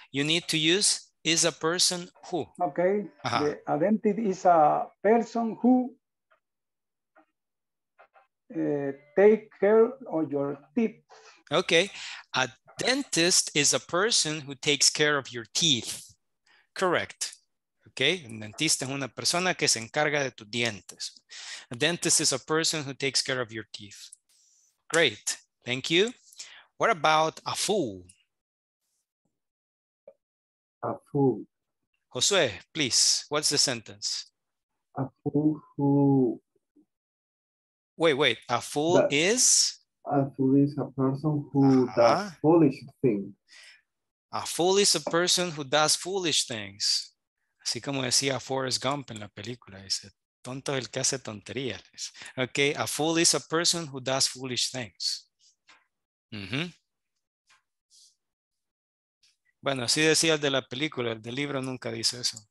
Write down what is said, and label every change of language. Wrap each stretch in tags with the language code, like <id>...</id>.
<en>You need to use is a person who. Okay, uh-huh. A dentist is a person who take care of your teeth. Okay. A dentist is a person who takes care of your teeth. Correct. Okay. Un dentista es una persona que se encarga de tus dientes. A dentist is a person who takes care of your teeth. Great. Thank you. What about a fool? A fool. Josué, please. What's the sentence? A fool who... Wait, a fool that, is? A fool is a person who does foolish things. A fool is a person who does foolish things.</en> <es>Así como decía Forrest Gump en la película, dice, tonto el que hace tonterías.</es> <en>Okay, a fool is a person who does foolish things. Mm-hmm.</en> <es>Bueno, así decía el de la película, el del libro nunca dice eso.</es>